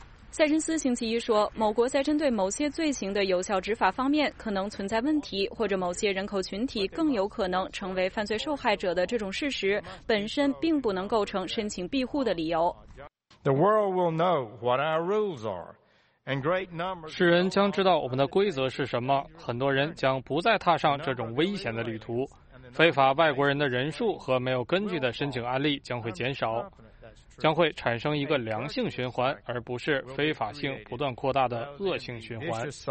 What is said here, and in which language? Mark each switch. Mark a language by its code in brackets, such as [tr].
[zh] 塞申斯星期一说，某国在针对某些罪行的有效执法方面可能存在问题，或者某些人口群体更有可能成为犯罪受害者的这种事实本身并不能构成申请庇护的理由。 [en] The world will know what our rules are, and great numbers. [zh] 世人将知道我们的规则是什么，很多人将不再踏上这种危险的旅途，非法外国人的人数和没有根据的申请案例将会减少，将会产生一个良性循环，而不是非法性不断扩大的恶性循环。